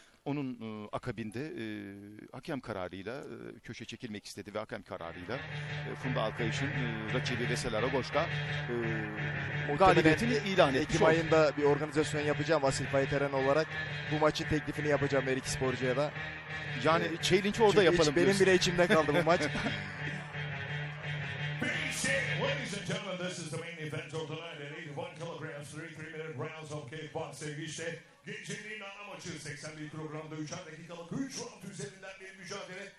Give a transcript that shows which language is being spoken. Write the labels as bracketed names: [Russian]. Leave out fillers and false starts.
[Turkish] Onun akabinde hakem kararıyla köşe çekilmek istedi ve hakem kararıyla Funda Alkayış'ın rakibi Vesel Aragoş'ta galibiyetini ilan etti. Ekim ayında bir organizasyon yapacağım, Vasil Payeteren olarak bu maçı teklifini yapacağım her iki sporcuya da. Yani challenge'ı orada yapalım diyorsun. Benim bile içimde kaldı bu maç. [English] Ladies and gentlemen, this is the main event of the night at 81 kilograms, 33 minute rounds of kickboxing. [Turkish] İşte gecenin ana maçı 81 programda 3 dakikalık 3 round üzerinden bir mücadele.